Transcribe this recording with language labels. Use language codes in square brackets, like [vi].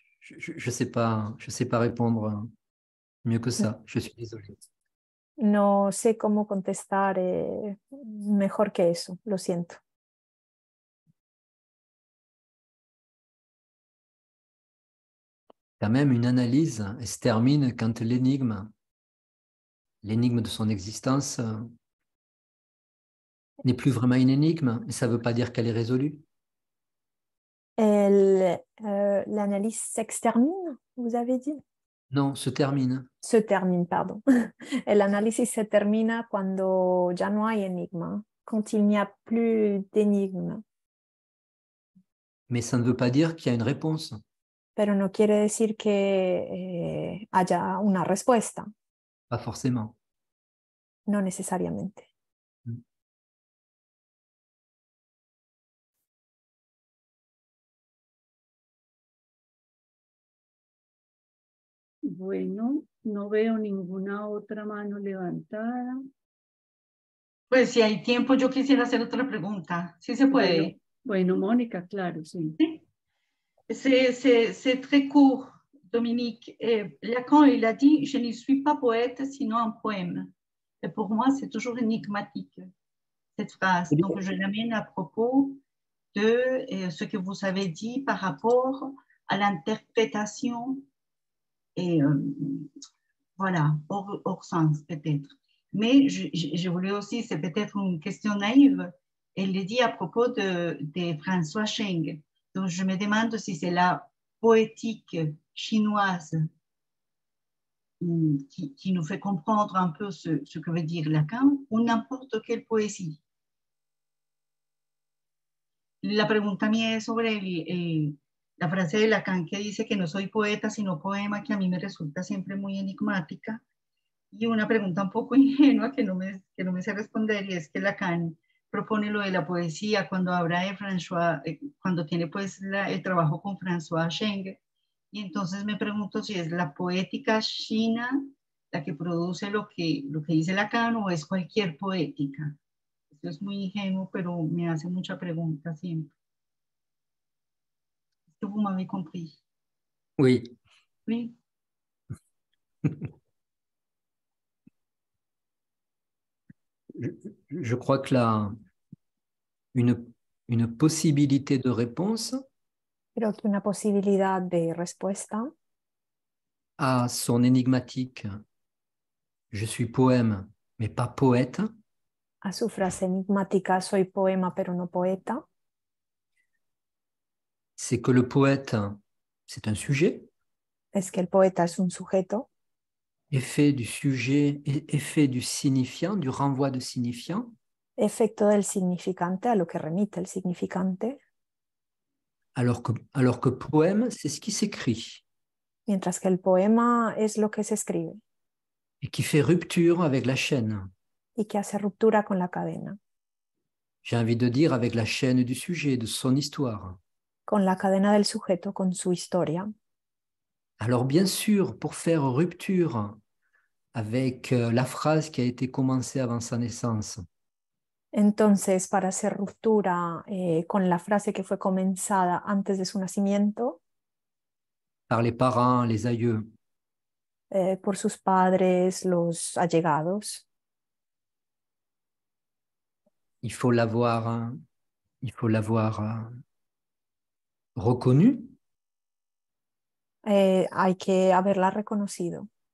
[fr] Je sais pas répondre mieux que ça. Je suis désolée. [es] No sé cómo contestar mejor que eso. Lo siento. [fr] Quand même une analyse se termine quand l'énigme de son existence n'est plus vraiment une énigme, mais ça ne veut pas dire qu'elle est résolue. L'analyse s'extermine, vous avez dit? Non, se termine. Se termine, pardon. L'analyse se termine quand [es] ya no hay enigma, [fr] quand il n'y a plus d'énigme. Mais ça ne veut pas dire qu'il y a une réponse. [es] Pero no quiere decir que haya una respuesta. [fr] Pas forcément. [es] No necesariamente. Bueno, no veo ninguna otra mano levantada. Pues si hay tiempo, yo quisiera hacer otra pregunta. Sí se puede. Bueno, Mónica, claro, sí. ¿Sí? [fr] C'est très court, Dominique. Lacan, il a dit, je ne suis pas poète, sinon un poème. Et pour moi, c'est toujours énigmatique, cette phrase. Donc, je l'amène à propos de ce que vous avez dit par rapport à l'interprétation et voilà, hors sens peut-être. Mais je voulais aussi, c'est peut-être une question naïve, elle le dit à propos de François Cheng. Donc, je me demande si c'est la poétique chinoise qui nous fait comprendre un peu ce que veut dire Lacan ou n'importe quelle poésie. [es] La pregunta mía es sobre la frase de Lacan que dice que no soy poeta sino poema, que a mí me resulta siempre muy enigmática. Y una pregunta un poco ingenua que no me sé responder, y es que Lacan propone lo de la poesía cuando habla de François, cuando tiene pues el trabajo con François Cheng. Y entonces me pregunto si es la poética china la que produce lo que dice Lacan o es cualquier poética. Esto es muy ingenuo, pero me hace mucha pregunta siempre. ¿Tú me habéis [fr] compris? Oui. Oui. Je crois que là, une possibilité de réponse. [es] Creo que una posibilidad de respuesta [fr] a son énigmatique. Je suis poème, mais pas poète. [es] A su frase enigmática, soy poema, pero no poeta. [fr] C'est que le poète, c'est un sujet. [es] Es que el poeta es un sujeto. [fr] Effet du sujet, effet du signifiant, du renvoi de signifiant. [es] Efecto del significante, a lo que remite el significante. [fr] Alors que poème, c'est ce qui s'écrit. [es] Mientras que el poema es lo que se escribe. [fr] Et qui fait rupture avec la chaîne. [es] Y que hace ruptura con la cadena. [fr] J'ai envie de dire avec la chaîne du sujet, de son histoire. [es] Con la cadena del sujeto, con su historia. [fr] Alors bien sûr, pour faire rupture avec la phrase qui a été commencée avant sa naissance. [es] Entonces, para hacer ruptura con la frase que fue comenzada antes de su nacimiento. [fr] Par les parents, les aïeux. [es] Por sus padres, los allegados. [fr] Il faut l'avoir reconnu. [es] Hay que haberla reconocido.